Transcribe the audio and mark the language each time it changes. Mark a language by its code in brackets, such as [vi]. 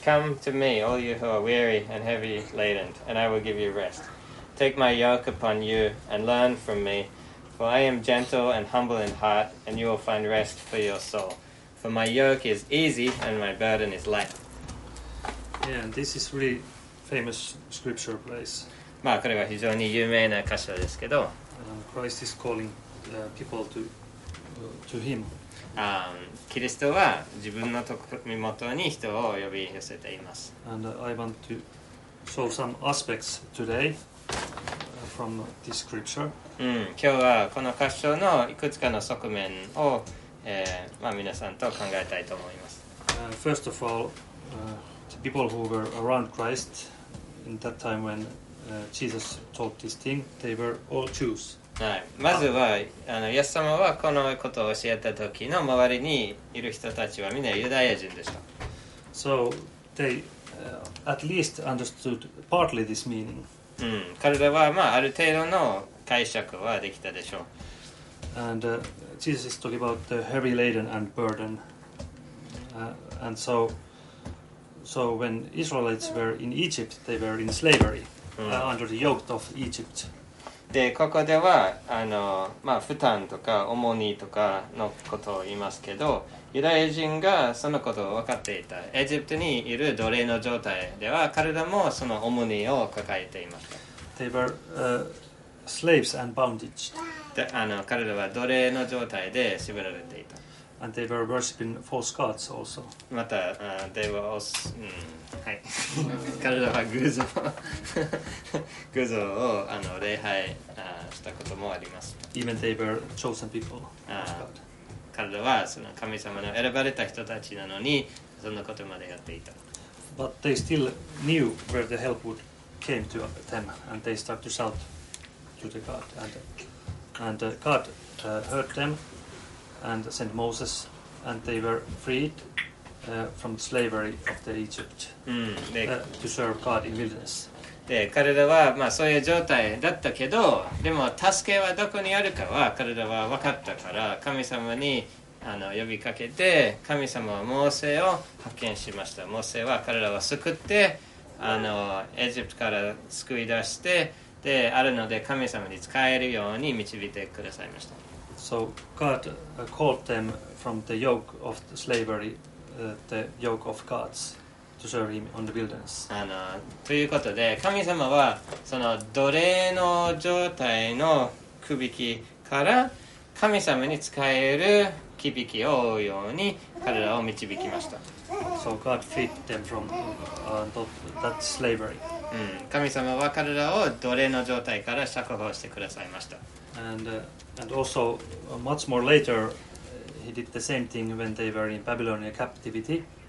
[en] Come to me, all you who are weary and heavy laden, and I will give you rest. Take my yoke upon you and learn from me, for I am gentle and humble in heart, and you will find rest for your soul. For my yoke is easy and my burden is light. Yeah, and this is really famous scripture place. [ja] まあこれは非常に有名な箇所ですけど。 [en] Christ is calling people to him. [ja] キリストは自分の身元に人を呼び寄せています。 [en] And I want to show some aspects today from this scripture. [ja] 今日はこの箇所のいくつかの側面を、まあ皆さんと考えたいと思います。 [en] First of all,The people who were around Christ in that time when Jesus taught this thing, they were all Jews. [ja] はい、まずはイエス様はこのことを教えた時の周りにいる人たちはみんなユダヤ人でした。 [en] So they at least understood partly this meaning. [ja] 彼らはまあある程度の解釈はできたでしょう。 [en] And Jesus is talking about the heavy laden and burden. And soSo when Israelites were in Egypt, they were in slavery, under the yoke of Egypt. [ja] で、ここでは、まあ、負担とか重荷とかのことを言いますけど、ユダヤ人がそのことを分かっていた。エジプトにいる奴隷の状態では、彼らもその重荷を抱えていました。 [en] They were, slaves and bondage. [ja] で、彼らは奴隷の状態で縛られていた。 [en] And they were worshiping false gods also. また、they were also, はい。 [ja] 彼らは偶像を礼拝したこともあります。 [en] Even they were chosen people. [ja] 彼らはその神様の選ばれた人たちなのに、そんなことまでやっていた。 [en] But they still knew where the help would came to them, and they started to shout to the God. And God heard them. And sent Moses, and they were freed from slavery of the Egypt to serve God in wilderness. [ja] で、彼らはまあそういう状態だったけど、でも助けはどこにあるかは彼らは分かったから、神様に呼びかけて、神様はモーセを派遣しました。モーセは彼らを救って、エジプトから救い出して、で、あるので神様に使えるように導いてくださいました。 [en] So God called them from the yoke of the slavery, the yoke of gods, to serve him on the wilderness. [ja] ということで、神様はその奴隷の状態の首輝きから神様に使える首輝きを追うように彼らを導きました。 [en] So God freed them from that slavery. [ja] 神様は彼らを奴隷の状態から釈放してくださいました。 [en] And also, much more later, he did the same thing when they were in Babylonian captivity.